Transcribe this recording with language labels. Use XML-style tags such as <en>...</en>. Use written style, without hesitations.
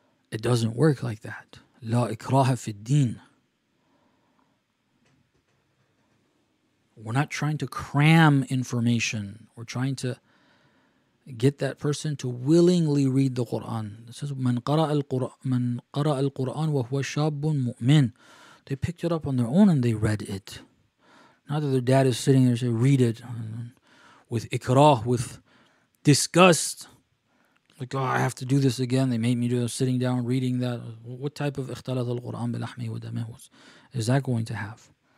<en>It doesn't work like that.</en> <ar>لا إكراه في الدين.</ar> <en>We're not trying to cram information. We're trying to get that person to willingly read the Quran. It says,</en> <ar>من قرأ القرآن وهو شاب مؤمن.</ar> <en>They picked it up on their own and they read it. Not that their dad is sitting there saying, read it with ikrah, with disgust. Like, oh, I have to do this again. They made me do this, sitting down, reading that. What type of</en> <ar>اختلط القرآن بلحمه ودمه</ar> <en>is that going to have?</en>